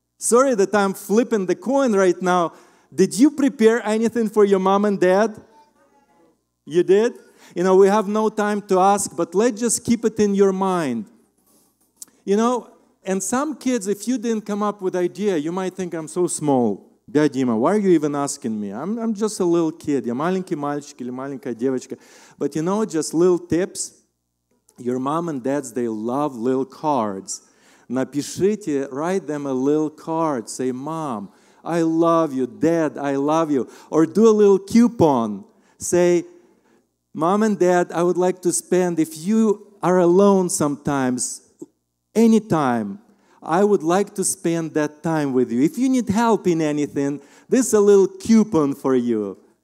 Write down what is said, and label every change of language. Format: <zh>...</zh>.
<en>Sorry that I'm flipping the coin right now. Did you prepare anything for your mom and dad? You did? You know, we have no time to ask, but let's just keep it in your mind. You know, and some kids, if you didn't come up with idea, you might think I'm so small. Дядь Дима, why are you even asking me? I'm just a little kid.</en> <ru>Я маленький мальчик или маленькая девочка.</ru> <en>But you know, just little tips. Your mom and dads, they love little cards.</en> <ru>Напишите,</ru> <en>write them a little card. Say, mom, I love you. Dad, I love you. Or do a little coupon. Say, mom and dad, I would like to spend, if you are alone sometimes, anytime, I would like to spend that time with you. If you need help in anything, this is a little coupon for you.</en>